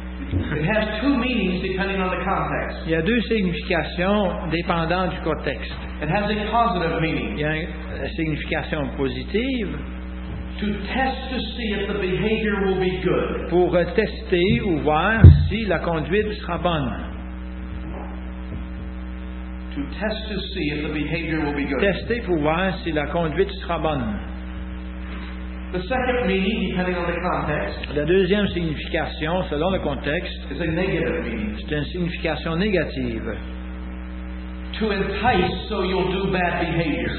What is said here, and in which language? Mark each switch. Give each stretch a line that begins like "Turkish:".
English: It has two meanings depending on the context.
French: Il y a deux significations dépendant du contexte.
English: It has a positive meaning.
French: Il y a une signification positive.
English: to test to see if the behavior will be good.
French: Pour tester ou voir si la conduite sera bonne.
English: To test to see if the behavior will be good.
French: Tester pour voir si la conduite sera bonne.
English: The second meaning, depending on the context,
French: la deuxième signification, selon le contexte,
English: is a negative meaning.
French: C'est une signification négative.
English: To entice so you'll do bad behavior.